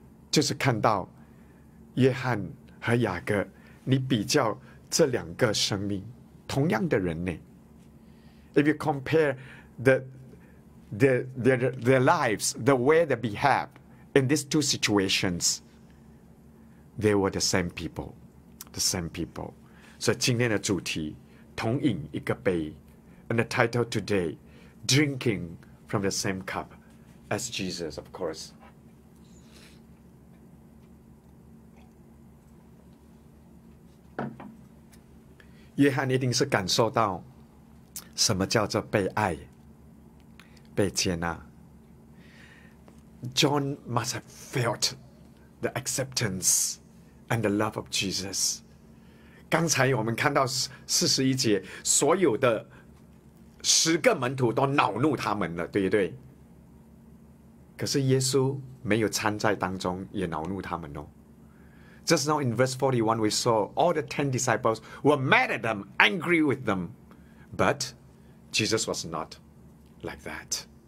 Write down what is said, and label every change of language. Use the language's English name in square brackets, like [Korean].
[Chinese] 就是看到约翰和雅各，你比较这两个生命，同样的人呢。 [English] If you compare their lives, the way they behave in these two situations, they were the same people, the same people. So, [Chinese] 今天的主题同饮一个杯 [English] and the title today, drinking from the same cup as Jesus, of course. [Chinese] 约翰一定是感受到什么叫做被爱。被接纳 [English] John must have felt the acceptance and the love of Jesus. [Chinese] 刚才我们看到四十一节，所有的十个门徒都恼怒他们了，对不对？可是耶稣没有参在当中，也恼怒他们哦。 [English] Just now in verse 41, we saw all the 10 disciples were mad at them, angry with them, but Jesus was not like that.